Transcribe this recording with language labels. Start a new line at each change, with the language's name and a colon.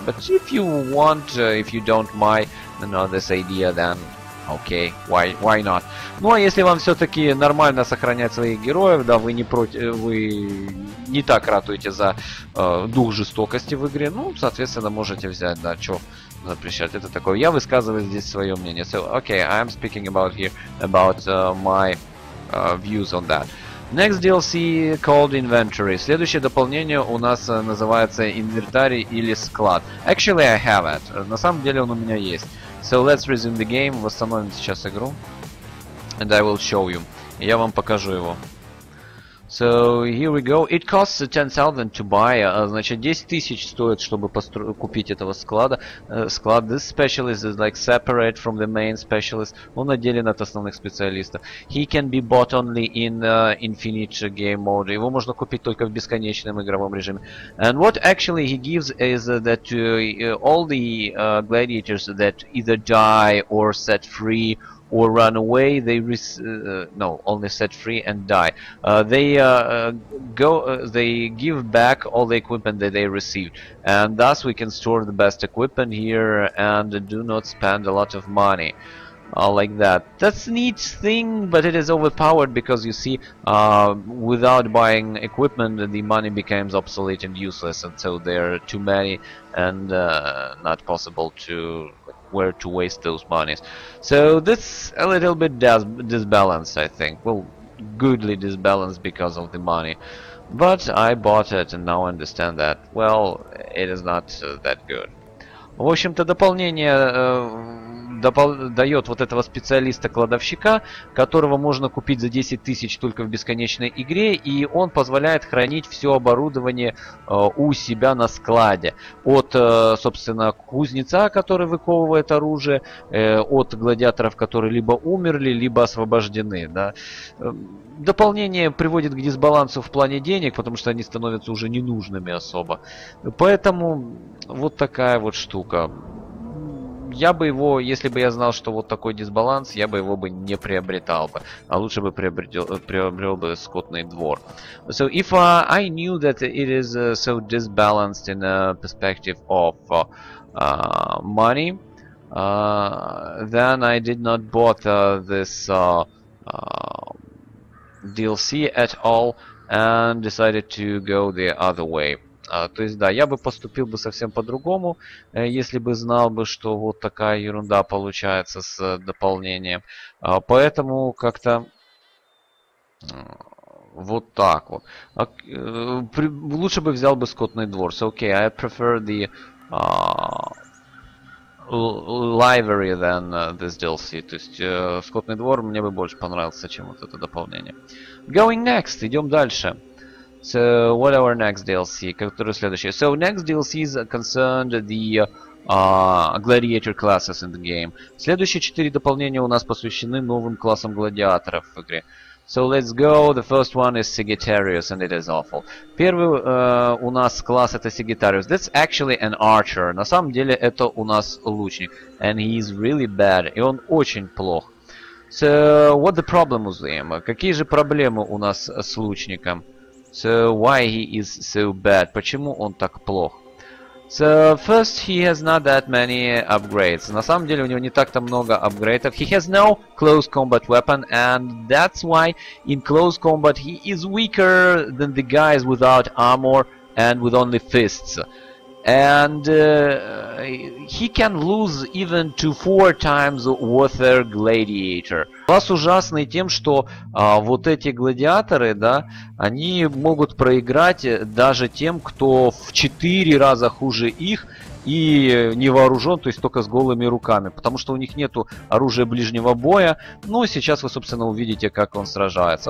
English: But if you want, if you don't mind, you know, this idea, then okay, why not?
Russian: Ну а если вам все-таки нормально сохранять своих героев, да, вы не против, вы не так ратуете за дух жестокости в игре, ну, соответственно, можете взять, да, чё запрещать, это такое. Я высказываю здесь свое мнение.
English: So, okay, I'm speaking about here, about my views on that. Next DLC called Inventory.
Russian: Следующее дополнение у нас называется Инвентарь или Склад.
English: Actually, I have it.
Russian: На самом деле он у меня есть.
English: So, let's resume the game.
Russian: Восстановим сейчас игру.
English: And I will show you.
Russian: Я вам покажу его.
English: So, here we go. It costs 10,000 to buy.
Russian: Значит, 10,000 стоит, чтобы купить этого склада. Склад.
English: This specialist is like separate from the main specialist.
Russian: Он отделен от основных специалистов.
English: He can be bought only in infinite game mode.
Russian: Его можно купить только в бесконечном игровом режиме.
English: And what actually he gives is that all the gladiators that either die or set free or run away, they only set free and die. They give back all the equipment that they received, and thus we can store the best equipment here and do not spend a lot of money. Like that. That's a neat thing, but it is overpowered because you see, without buying equipment, the money becomes obsolete and useless, and so there are too many and not possible to where to waste those monies. So that's a little bit disbalanced, I think. Well, goodly disbalanced because of the money. But I bought it and now I understand that, well, it is not that good.
Russian: В общем-то, дополнение дает вот этого специалиста-кладовщика, которого можно купить за 10,000 только в бесконечной игре, и он позволяет хранить все оборудование у себя на складе. От, собственно, кузнеца, который выковывает оружие, от гладиаторов, которые либо умерли, либо освобождены. Да. Дополнение приводит к дисбалансу в плане денег, потому что они становятся уже ненужными особо. Поэтому вот такая вот штука. Я бы его, если бы я знал, что вот такой дисбаланс, я бы его бы не приобретал бы, а лучше бы приобрел бы скотный двор.
English: So if I knew that it is so disbalanced in a perspective of money, then I did not bought this DLC at all and decided to go the other way.
Russian: То есть, да, я бы поступил бы совсем по-другому, если бы знал бы, что вот такая ерунда получается с дополнением. Поэтому как-то вот так вот. Лучше бы взял бы скотный двор.
English: So, okay, I prefer the livery than this DLC.
Russian: То есть скотный двор мне бы больше понравился, чем вот это дополнение.
English: Going next,
Russian: идем дальше.
English: So, what our next DLC?
Russian: Который следующий?
English: So, next DLC is concerned the gladiator classes in the game.
Russian: Следующие четыре дополнения у нас посвящены новым классам гладиаторов в игре.
English: So let's go, the first one is Sagittarius, and it is awful.
Russian: Первый у нас класс это Sagittarius.
English: That's actually an archer.
Russian: На самом деле это у нас лучник.
English: And he is really bad.
Russian: И он очень плох.
English: So what the problem with him?
Russian: Какие же проблемы у нас с лучником?
English: So why he is so bad?
Russian: Почему он так плох?
English: So first he has not that many upgrades.
Russian: На самом деле у него не так-то много апгрейдов.
English: He has no close combat weapon, and that's why in close combat he is weaker than the guys without armor and with only fists. And he can lose even to 4 times worth their gladiator.
Russian: Класс ужасный тем, что вот эти гладиаторы, да, они могут проиграть даже тем, кто в 4 раза хуже их и не вооружен, то есть только с голыми руками, потому что у них нету оружия ближнего боя. Ну, сейчас вы, собственно, увидите, как он сражается.